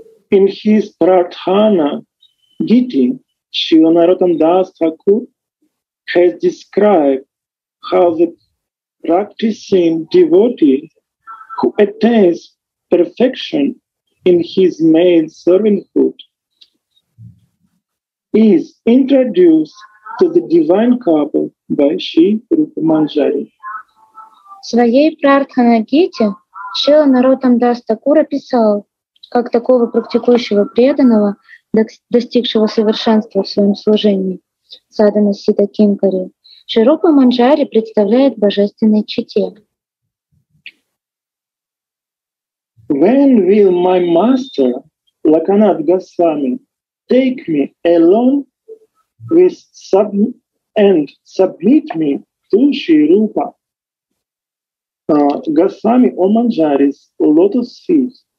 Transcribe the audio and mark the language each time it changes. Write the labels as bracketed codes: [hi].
[en] In his Prarthana Giti, Srila Narottam Das Thakur has described how the practicing devotee who attains perfection in his maid servanthood is introduced to the divine couple by Sri Rupa Manjari. [ru] В своей Прартханагите Шрила Наротам Дас Такур описал, как такого практикующего преданного, достигшего совершенства в своем служении, Садана Сита Кинкари, Шри Рупа Манджари представляет божественной чете. [en] When will my master, Lakanath Goswami, take me alone with and submit me to Shri Rupa Goswami on Manjari's lotus feet?